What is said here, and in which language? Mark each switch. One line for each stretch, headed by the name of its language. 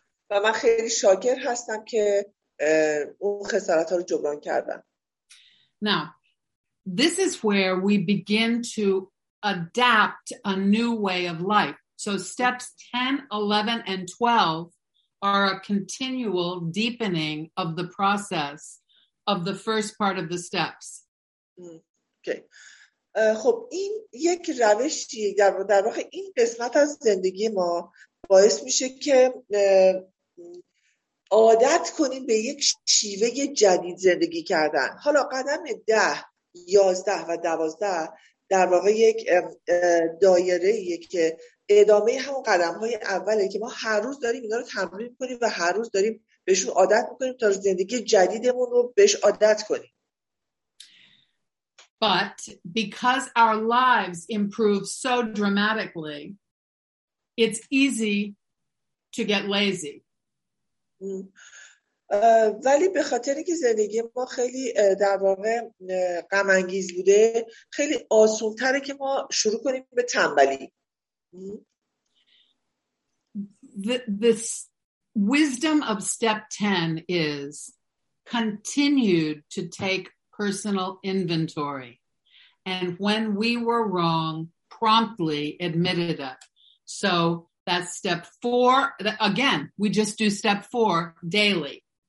Persian: و من خیلی شاکر هستم که اون خسارت ها رو جبران کردم.
English: Now, this is where we begin to adapt a new way of life. So steps 10, 11, and 12 are a continual deepening of the process of the first part of the steps. Okay.
Persian: خب این یک روشی در واقع این قسمت از زندگی ما باعث میشه که عادت کنیم به یک شیوه جدید زندگی کردن. حالا قدم 10, 11 و 12 در واقع یک دایره که ادامه همون قدم های اوله که ما هر روز داریم اینا رو تمرین میکنیم و هر روز داریم بهشون عادت میکنیم تا زندگی جدیدمون رو بهش عادت کنیم.
English: But because our lives improve so dramatically, it's easy to get lazy.
Persian: ولی به خاطر اینکه زندگی ما خیلی در واقع غم انگیز بوده، خیلی آسون‌تره که ما شروع کنیم به تنبلی.
English: This wisdom of step 10 is continued to take personal inventory. And when we were wrong, promptly admitted it. So that's step 4. Again, we just do step 4 daily.